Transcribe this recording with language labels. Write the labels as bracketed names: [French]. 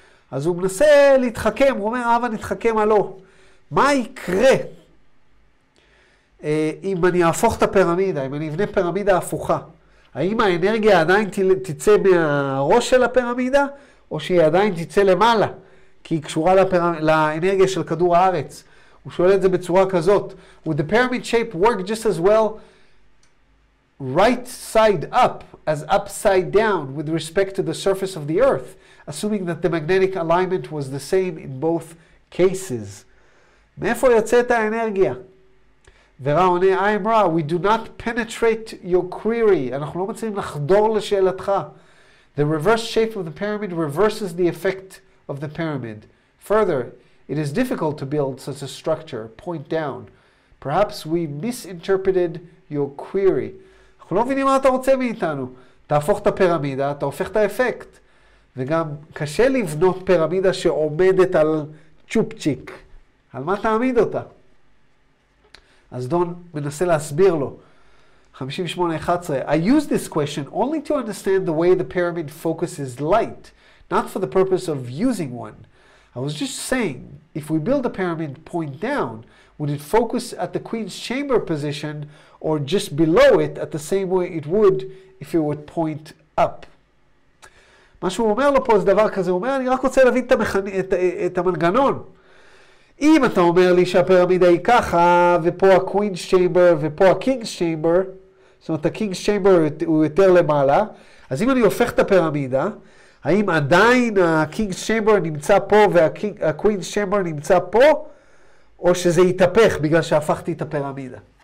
[Hebrew] אז הוא מנסה להתחכם, הוא אומר, אבא נתחכם עלו. מה יקרה אם אני אהפוך את הפירמידה, אם אני אבנה פירמידה הפוכה? האם האנרגיה עדיין תצא מהראש של הפירמידה, או שהיא עדיין תצא למעלה, כי היא קשורה לאנרגיה של כדור הארץ. הוא שואל את זה בצורה כזאת. [English] Would the pyramid shape work just as well right side up as upside down with respect to the surface of the earth, assuming that the magnetic alignment was the same in both cases? [Hebrew] מאיפה יוצאת האנרגיה? ורא עונה, [English] I am Ra, we do not penetrate your query. [Hebrew] אנחנו לא מצליחים לחדור לשאלתך. [English] The reverse shape of the pyramid reverses the effect of the pyramid. Further, it is difficult to build such a structure, point down. Perhaps we misinterpreted your query. [Hebrew] אנחנו לא מבינים מה אתה רוצה מאיתנו. תהפוך את הפירמידה, אתה הופך את האפקט. וגם קשה לבנות פירמידה שעומדת על צ'ופצ'יק. על מה תעמיד אותה? אז דון מנסה להסביר לו. [English] 58.11 I use this question only to understand the way the pyramid focuses light, not for the purpose of using one. I was just saying, if we build a pyramid point down, would it focus at the queen's chamber position or just below it at the same way it would if it would point up? [Hebrew] מה שהוא אומר לו פה זה דבר כזה, הוא אומר, אני רק רוצה להבין את, את המנגנון. אם אתה אומר לי שהפירמידה היא ככה, ופה ה-queen's chamber ופה ה-king's chamber, זאת אומרת, ה-king's chamber הוא יותר למעלה, אז אם אני הופך את הפירמידה, האם עדיין ה-king's chamber נמצא פה וה-queen's chamber נמצא פה, או שזה יתהפך בגלל שהפכתי את הפירמידה?